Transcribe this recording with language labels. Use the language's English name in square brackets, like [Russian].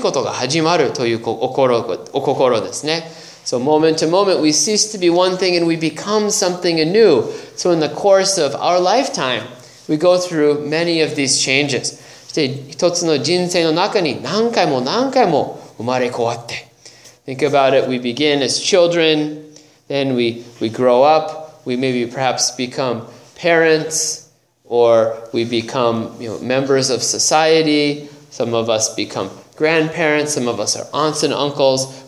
[Japanese] 一瞬一瞬に前あったことが終わって今から新しいことが始まるというお心ですね。 [English] So moment to moment we cease to be one thing and we become something anew. So in the course of our lifetime, we go through many of these changes. [Japanese] そして一つの人生の中に何回も何回も生まれ変わって。 [English] Think about it, we begin as children, then we grow up. We maybe perhaps become parents, or we become members of society. Some of us become grandparents. Some of us are aunts and uncles.